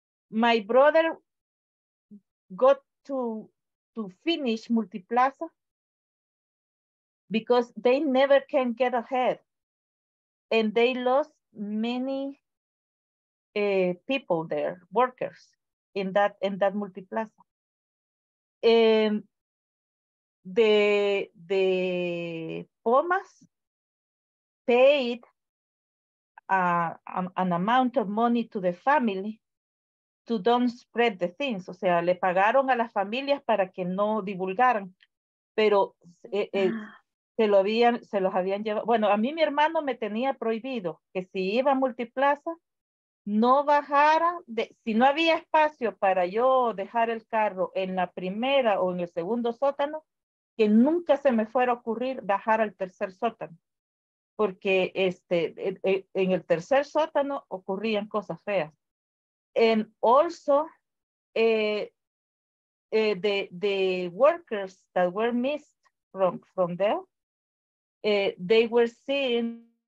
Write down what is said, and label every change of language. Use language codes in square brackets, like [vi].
[en] My brother got to finish Multiplaza because they never can get ahead, and they lost many people there, workers in that Multiplaza. And the Pomas paid an amount of money to the family to don't spread the things. [es] O sea, le pagaron a las familias para que no divulgaran, pero se los habían llevado. Bueno, a mí mi hermano me tenía prohibido que si iba a Multiplaza, no bajara, si no había espacio para yo dejar el carro en la primera o en el segundo sótano, que nunca se me fuera a ocurrir bajar al tercer sótano. Porque en el tercer sótano ocurrían cosas feas. [en] And also, the workers that were missed from there, they were seen.